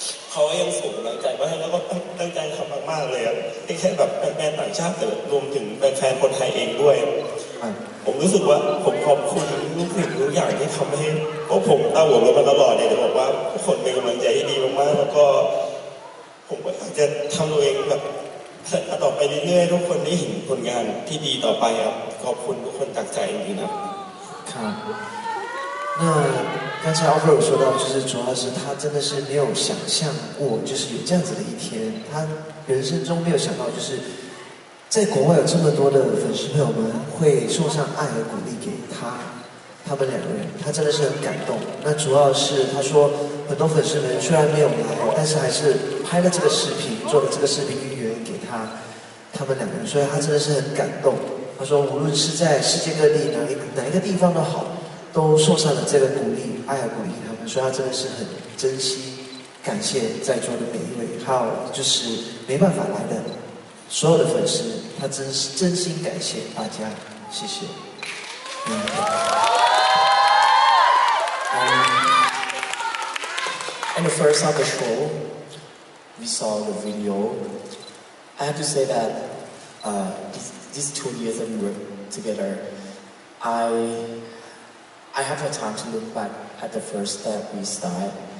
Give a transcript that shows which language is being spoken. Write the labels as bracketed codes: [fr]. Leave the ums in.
[th] เขายังส่งกำลังใจมาให้แล้วก็ตั้งใจทำมาก ๆเลยครับไม่ใช่แบบแฟนต่างชาติแต่รวมถึงแฟนคนไทยเองด้วย ผมรู้สึกว่า ผมขอบคุณทุกสิ่งทุกอย่างที่ทำให้เพราะผมตั้งหัวรถมาตลอดเนี่ยจะบอกว่าทุกคนเป็นกำลังใจที่ดีมากๆแล้วก็ ผมก็อยากจะทำตัวเองแบบ [zh] 看那刚才阿 r 有说到，就是主要是他真的是没有想象过，就是有这样子的一天，他人生中没有想到，就是在国外有这么多的粉丝朋友们会送上爱和鼓励给他，他们两个人，他真的是很感动。那主要是他说，很多粉丝们虽然没有来，但是还是拍了这个视频，做了这个视频。他，他们两个人，所以他真的是很感动。他说，无论是在世界各地哪一哪一个地方都好，都受上了这个鼓励、爱和鼓励。他们以他真的是很珍惜、感谢在座的每一位，还有就是没办法来的所有的粉丝，他真是真心感谢大家，谢谢。 [en] On、嗯、the first of the show, we saw the video. I have to say that uh, these, two years that we were together, I I have had time to look back at the first step we started.